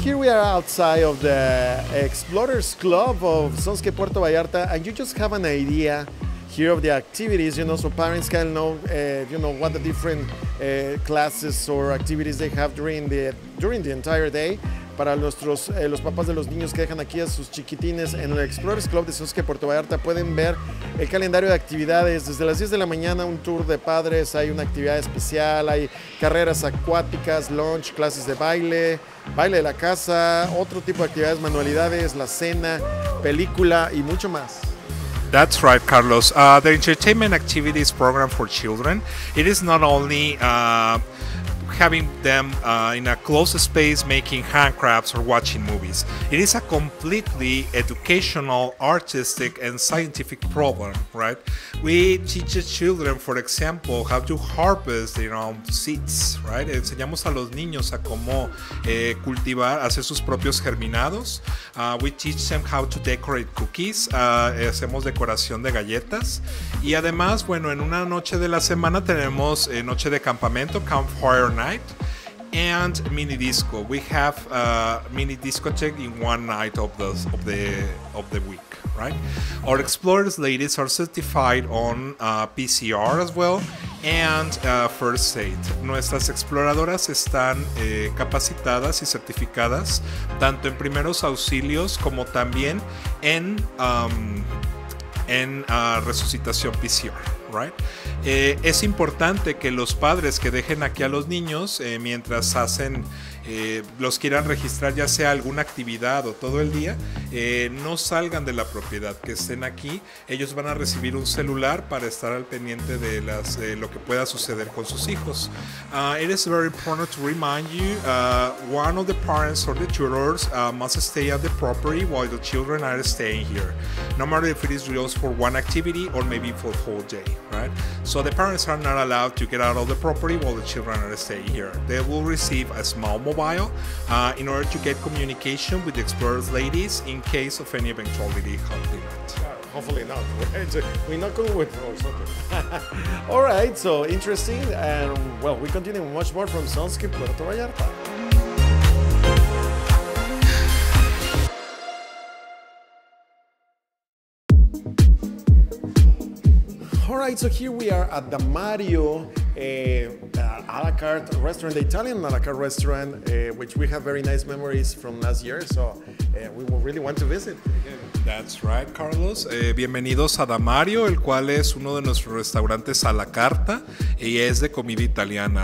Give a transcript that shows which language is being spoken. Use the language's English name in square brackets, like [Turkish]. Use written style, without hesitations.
[English] Outside of the Explorers Club of Sunscape Puerto Vallarta, and you just have an idea here of the activities, you know, so parents can know, what the different classes or activities they have during the entire day. [Spanish] Para nuestros los papás de los niños que dejan aquí a sus chiquitines en el Explorers Club de Sunscape Puerto Vallarta pueden ver el calendario de actividades. Desde las 10 de la mañana un tour de padres, hay una actividad especial, hay carreras acuáticas, lunch, clases de baile, baile de la casa, otro tipo de actividades, manualidades, la cena, película y mucho más. [English] That's right, Carlos. The Entertainment Activities Program for Children, it is not only having them in a closed space making handcrafts or watching movies. It is a completely educational, artistic, and scientific program, right? We teach the children, for example, how to harvest their own seeds, right? [Spanish] Enseñamos a los niños a cómo cultivar, hacer sus propios germinados. [English] We teach them how to decorate cookies. [Spanish] Hacemos decoración de galletas. Y además, bueno, en una noche de la semana tenemos noche de campamento, Campfire Night. [English] And mini disco. We have a mini discotheque in one night of the week, right? Our Explorers ladies are certified on PCR as well and first aid. [Spanish] Nuestras exploradoras están capacitadas y certificadas tanto en primeros auxilios como también en resucitación PCR. Right? Es importante que los padres que dejen aquí a los niños mientras hacen los quieran registrar ya sea alguna actividad o todo el día no salgan de la propiedad, que estén aquí. Ellos van a recibir un celular para estar al pendiente de las lo que pueda suceder con sus hijos. [English] It is very important to remind you one of the parents or the tutors must stay at the property while the children are staying here, no matter if it is just for one activity or maybe for the whole day, right? So the parents are not allowed to get out of the property while the children are staying here. They will receive a small mobile in order to get communication with the Explorers ladies in case of any eventuality. Hopefully not. Hopefully not. We're not going with those. Okay. All right, so interesting. And well, we continue much more from Sunscape Puerto Vallarta. All right, so here we are at the Mario a la carte restaurant, the Italian a la carte restaurant, which we have very nice memories from last year, so we will really want to visit. That's right, Carlos. [Spanish] Bienvenidos a Damario, el cual es uno de nuestros restaurantes a la carta y es de comida italiana.